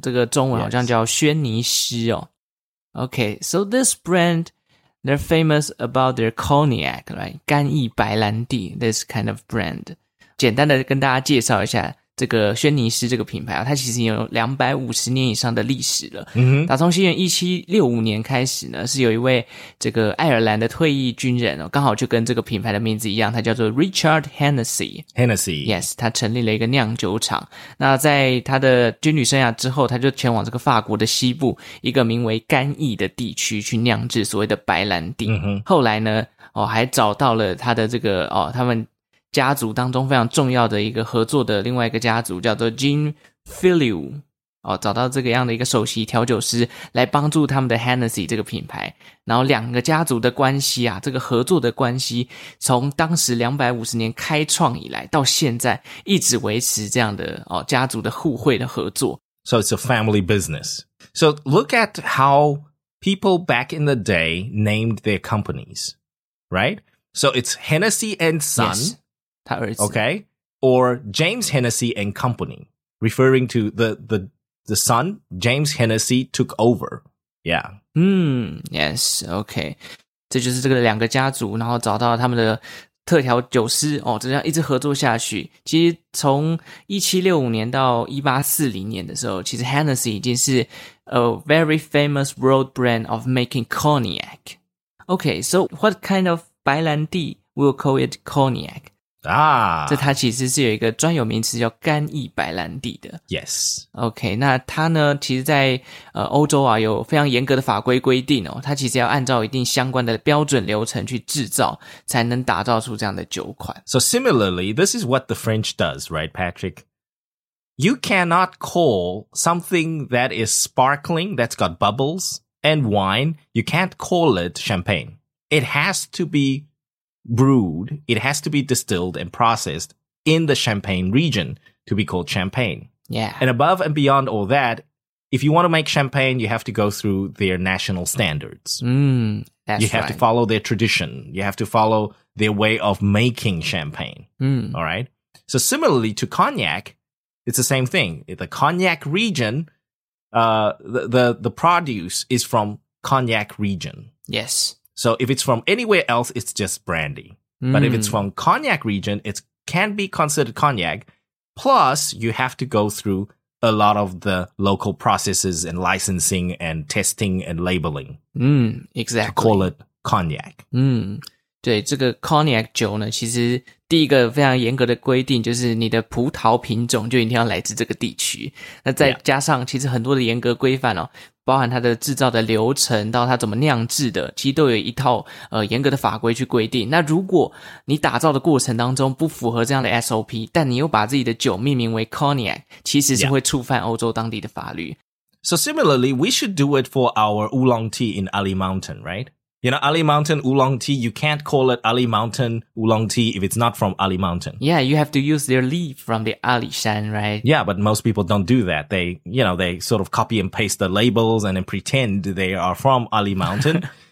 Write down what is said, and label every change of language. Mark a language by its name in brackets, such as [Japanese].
[Chinese] 这个中文好像叫轩尼诗哦。 [English] Okay, so this brand, they're famous about their cognac, right? [Chinese] 干邑白兰地, [English] this kind of brand. [Chinese] 简单的跟大家介绍一下。这个轩尼诗这个品牌啊，它其实有250年以上的历史了。嗯，打从西元1765年开始呢，是有一位这个爱尔兰的退役军人哦，刚好就跟这个品牌的名字一样，他叫做 Richard Hennessy。 [English] Hennessy， yes， [Chinese] 他成立了一个酿酒厂。那在他的军旅生涯之后，他就前往这个法国的西部一个名为干邑的地区去酿制所谓的白兰地。嗯哼，后来呢，哦，还找到了他的这个哦，他们。家族当中非常重要的一个合作的另外一个家族叫做 Jean Filiu、哦、找到这个样的一个首席调酒师来帮助他们的 Hennessy 这个品牌，然后两个家族的关系啊，这个合作的关系从当时250年开创以来到现在一直维持这样的、哦、家族的互惠的合作。 [English] So it's a family business. So look at how people back in the day named their companies, right? So it's Hennessy and Son、 yes. [Chinese] 他儿子 [English] okay, or James Hennessy and Company, referring to the son, James Hennessy took over. Yeah. Yes, okay. [Chinese] 这就是这个两个家族然后找到他们的特调酒师、哦、这样一直合作下去。其实从1765年到1840年的时候，其实 Hennessy 已经是 [English] a very famous world brand of making cognac. Okay, so what kind of 白兰地 we'll call it cognac? [Chinese] 这它其实是有一个专有名词叫干邑白兰地的。 [English] Yes. [Chinese] OK, 那它呢其实在欧洲啊有非常严格的法规规定哦，它其实要按照一定相关的标准流程去制造才能打造出这样的酒款。 [English] So similarly, this is what the French does, right, Patrick? You cannot call something that is sparkling, that's got bubbles, and wine, you can't call it champagne. It has to be... brewed, it has to be distilled and processed in the Champagne region to be called Champagne. Yeah. And above and beyond all that, if you want to make Champagne, you have to go through their national standards. That's you have right. to follow their tradition. You have to follow their way of making Champagne. All right. So similarly to Cognac, it's the same thing. The Cognac region, the produce is from Cognac region. Yes. So if it's from anywhere else, it's just brandy. But if it's from cognac region, it can be considered cognac. Plus, you have to go through a lot of the local processes and licensing and testing and labeling. Exactly. To call it cognac. [Chinese] 对，这个 cognac 酒呢，其实第一个非常严格的规定就是你的葡萄品种就一定要来自这个地区。那再加上其实很多的严格规范哦。包含它的制造的流程到它怎么酿制的其实都有一套严格的法规去规定。那如果你打造的过程当中不符合这样的 SOP, 但你又把自己的酒命名为 Cognac, 其实是会触犯欧洲当地的法律。 [English] So similarly, we should do it for our Oolong Tea in Ali Mountain, right? You know, Ali Mountain Oolong Tea, you can't call it Ali Mountain Oolong Tea if it's not from Ali Mountain. Yeah, you have to use their leaf from the Ali Shan, right? Yeah, but most people don't do that. They, you know, they sort of copy and paste the labels and then pretend they are from Ali Mountain.